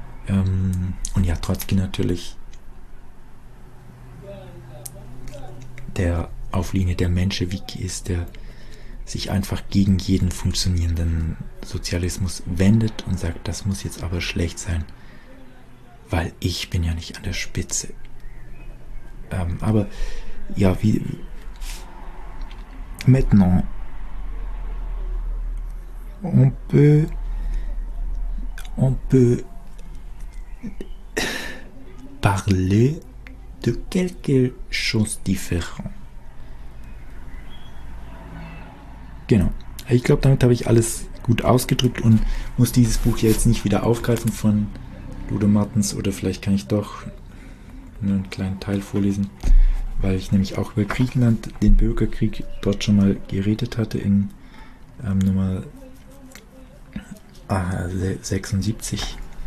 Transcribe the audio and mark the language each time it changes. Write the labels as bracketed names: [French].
[German] Und ja, Trotzki natürlich, der auf Linie der Menschewiki ist, der sich einfach gegen jeden funktionierenden Sozialismus wendet und sagt, das muss jetzt aber schlecht sein, weil ich bin ja nicht an der Spitze. Aber ja, wie [French] maintenant on peut parler de quelque chose différent. [German] Genau. Ich glaube, damit habe ich alles gut ausgedrückt und muss dieses Buch jetzt nicht wieder aufgreifen von Ludo Martens, oder vielleicht kann ich doch nur einen kleinen Teil vorlesen, weil ich nämlich auch über Griechenland, den Bürgerkrieg, dort schon mal geredet hatte in Nummer 76.